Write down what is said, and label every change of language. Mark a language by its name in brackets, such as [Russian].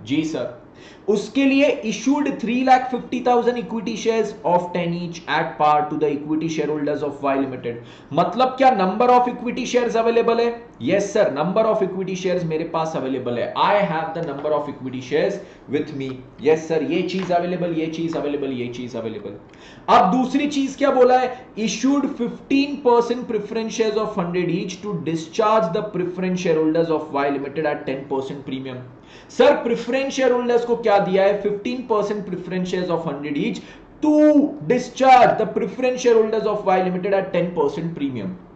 [Hindi] जी sir, उसके लिए [English] Issued 350,000 equity shares of 10 each at par to the equity share holders of Y limited. [Hindi] मतलब क्या [English] Number of equity shares available है? Yes sir, number of equity shares [Hindi] मेरे पास [English] Available है, I have the number of equity shares with me. [Hindi] Yes sir, ये चीज available, ये चीज available, ये चीज अवेलेबल। अब दूसरी चीज क्या बोला है, [English] Issued 15% preference shares of 100 each to discharge the preference share holders of Y limited at 10% premium. Sir, preference share holders [Hindi] को क्या दिया है, [English] 15% preference shares of 100 each to discharge the preference share holders of Y limited at 10% premium.